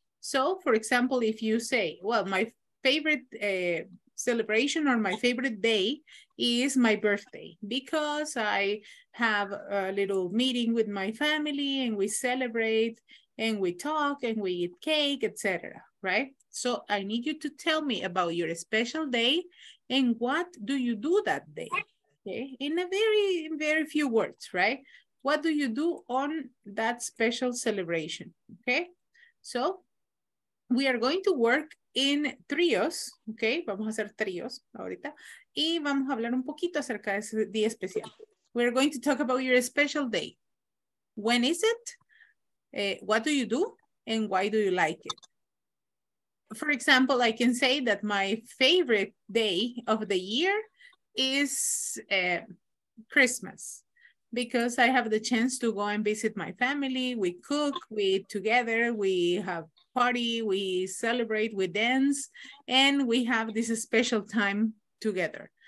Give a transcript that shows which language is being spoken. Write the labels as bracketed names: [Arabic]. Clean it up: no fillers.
[English] So, for example, if you say, well, my favorite celebration or my favorite day is my birthday because I have a little meeting with my family and we celebrate and we talk and we eat cake, etc. Right? So I need you to tell me about your special day and what do you do that day? Okay. In a very, very few words, right? What do you do on that special celebration? Okay. So we are going to work in tríos, okay, [Spanish] vamos a hacer tríos ahorita, y vamos a hablar un poquito acerca de ese día especial. [English] We're going to talk about your special day. When is it? What do you do? And why do you like it? For example, I can say that my favorite day of the year is Christmas, because I have the chance to go and visit my family, we cook, we eat together, we have party, we celebrate, we dance, and we have this special time together.